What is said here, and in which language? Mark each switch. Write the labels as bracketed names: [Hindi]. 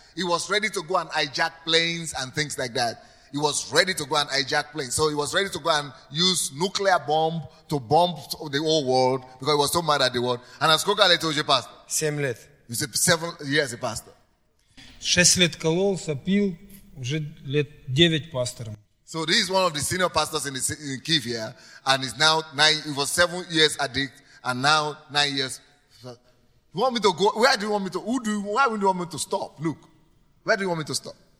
[English] He was ready to go and hijack planes and things like that. He was ready to go and hijack planes. So he was ready to go and use nuclear bomb to bomb the whole world because he was so mad at the world. And as Koka later told you, pastor, same length. He said 7 years a pastor. [Russian] 6 лет кололся, пил уже 9 лет пастором. [English] So this is one of the senior pastors in Kyiv here, and is now 9. He was 7 years addict, and now 9 years. You want me to go? Where do you want me to? Why do you want me to stop? Look, where do you want me to stop?